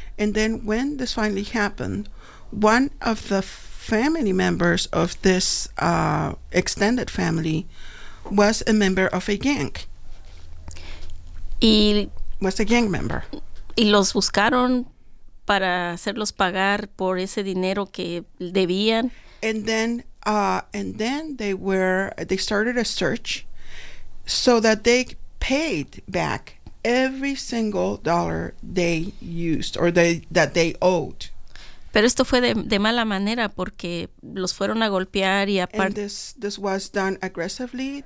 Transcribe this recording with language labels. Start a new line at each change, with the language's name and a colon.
English: And then when this finally happened, one of the family members of this extended family was a member of a gang. Was a gang member.
Spanish: Y los buscaron para hacerlos pagar por ese dinero que debían.
English: And then they started a search so that they paid back every single dollar they used or that they owed.
Spanish: Pero esto fue de mala manera porque los fueron a golpear y aparte.
English: This was done aggressively.